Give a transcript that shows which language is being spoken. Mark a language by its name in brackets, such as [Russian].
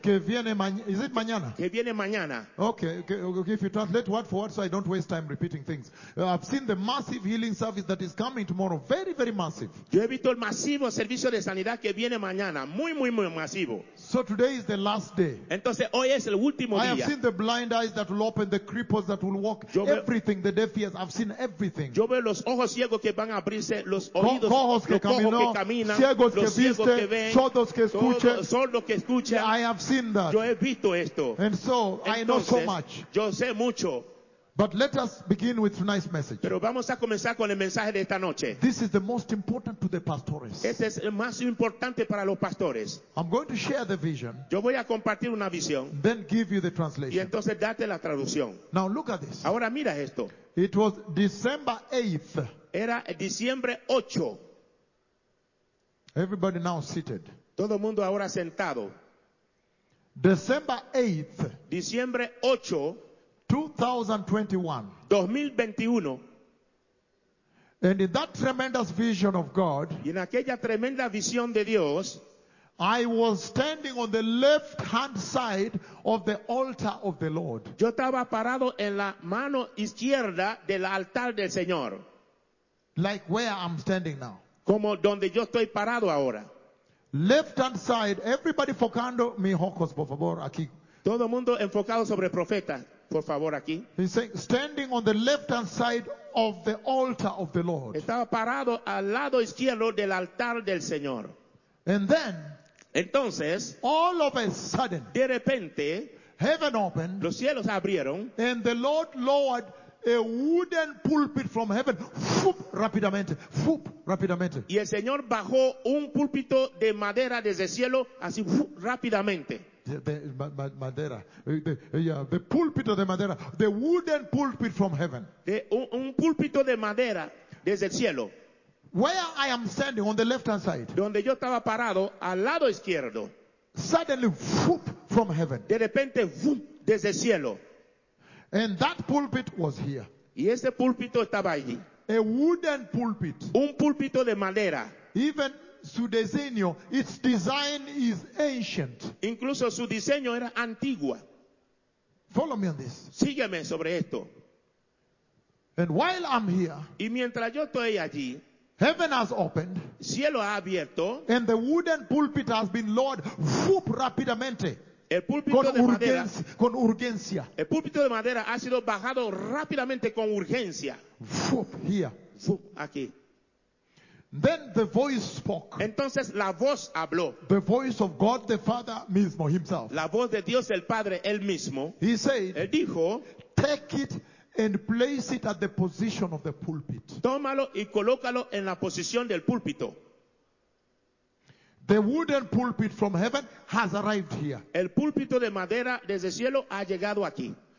[Spanish] Que viene [English] is it [Spanish] mañana? Que viene mañana. [English] Okay, if you translate word for word so I don't waste time repeating things. I've seen the massive healing service that is coming tomorrow. Very, very massive. [Spanish] Yo he visto el masivo servicio de sanidad que viene mañana. Muy, muy, muy masivo. [English] So today is the last day. [Spanish] Entonces hoy es el último día. [English] I have seen the blind eyes that will open, the cripples that will walk, everything, the deaf ears, I've seen everything. [Spanish] Yo veo los ojos ciegos que van a abrirse, los oídos, cojos que camino, que caminan, ciegos los que viste, sordos que escuchan, sordos que escuchan. [English] I have seen that. [Spanish] Yo he visto esto. [English] And so, [Spanish] entonces, [English] I know so much. [Spanish] Yo sé mucho. [English] But let us begin with tonight's message. [Spanish] Pero vamos a comenzar con el mensaje de esta noche. [English] This is the most important to the pastores. [Spanish] Este es el más importante para los pastores. [English] I'm going to share the vision. [Spanish] Yo voy a compartir una visión. [English] Then give you the translation. [Spanish] Y entonces date la traducción. [English] Now look at this. [Spanish] Ahora mira esto. [English] It was December 8th. [Spanish] Era diciembre 8. [English] Everybody now seated. [Spanish] Todo mundo ahora sentado. [English] December 8th. [Spanish] Diciembre 8. [English] 2021. And in that tremendous vision of God, [Spanish] y en aquella tremenda visión de Dios, [English] I was standing on the left hand side of the altar of the Lord. [Spanish] Yo estaba parado en la mano izquierda del altar del Señor. [English] Like where I'm standing now. [Spanish] Como donde yo estoy parado ahora. [English] Left hand side, everybody [Spanish] focando mi ojos, por favor, aquí. Todo mundo enfocado sobre el profeta. Por favor, aquí. [English] He's saying, standing on the left-hand side of the altar of the Lord. [Spanish] Estaba parado al lado izquierdo del altar del Señor. [English] And then, [Spanish] entonces, [English] all of a sudden, [Spanish] de repente, [English] heaven opened, [Spanish] los cielos abrieron, [English] and the Lord lowered a wooden pulpit from heaven, rápidamente. [Spanish] Y el Señor bajó un púlpito de madera desde el cielo, así, rápidamente. [English] The pulpit of the madera, the wooden pulpit from heaven. [Spanish] Un púlpito de madera desde el cielo. [English] Where I am standing on the left hand side. [Spanish] Donde yo estaba parado al lado izquierdo. [English] Suddenly, whoop, from heaven. [Spanish] De repente, whoop, desde el cielo. [English] And that pulpit was here. [Spanish] Y ese púlpito estaba allí. [English] A wooden pulpit. [Spanish] Un púlpito de madera. [English] Even [Spanish] su diseño, [English] its design is ancient. [Spanish] Incluso su diseño era antigua. [English] Follow me on this. [Spanish] Sígueme sobre esto. [English] And while I'm here, [Spanish] y mientras yo estoy allí, [English] heaven has opened, [Spanish] cielo ha abierto, [English] and the wooden pulpit has been lowered, whoop, rápidamente. [Spanish] El púlpito de urgencia, madera, con urgencia. El púlpito de madera ha sido bajado rápidamente con urgencia. [English] Whoop, here. [Spanish] Whoop, aquí. [English] Then the voice spoke. [Spanish] Entonces la voz habló. [English] The voice of God the Father mismo himself. [Spanish] La voz de Dios el Padre él mismo. [English] He said, [Spanish] él dijo, [English] take it and place it at the position of the pulpit. [Spanish] Tómalo y colócalo en la posición del púlpito. [English] The wooden pulpit from heaven has arrived here. [Spanish] El púlpito de madera desde el cielo ha llegado aquí.